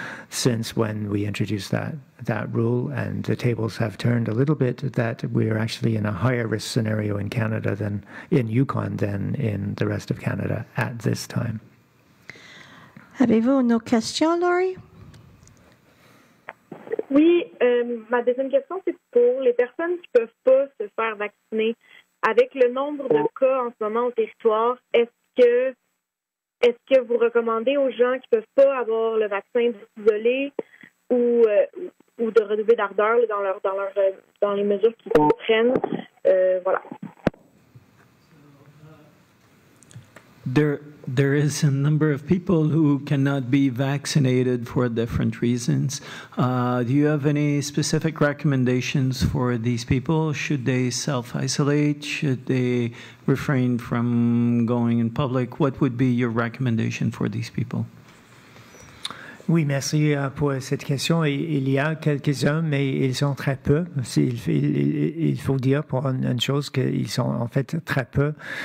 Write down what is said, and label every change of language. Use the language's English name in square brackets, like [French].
[English] since when we introduced that rule, and the tables have turned a little bit, that we are actually in a higher-risk scenario in Canada than in Yukon than in the rest of Canada at this time. [French] Avez-vous une autre question, Laurie? Oui, ma deuxième question, c'est pour les personnes qui ne peuvent pas se faire vacciner. Avec le nombre de cas en ce moment au territoire, est-ce que vous recommandez aux gens qui ne peuvent pas avoir le vaccin de s'isoler ou de redoubler d'ardeur dans les mesures qu'ils prennent? Voilà. [English] There is a number of people who cannot be vaccinated for different reasons. Do you have any specific recommendations for these people? Should they self-isolate? Should they refrain from going in public? What would be your recommendation for these people? [French] Oui, merci pour cette question. Il y a quelques-uns, mais ils sont très peu. Il faut dire pour une chose qu'ils sont en fait très peu.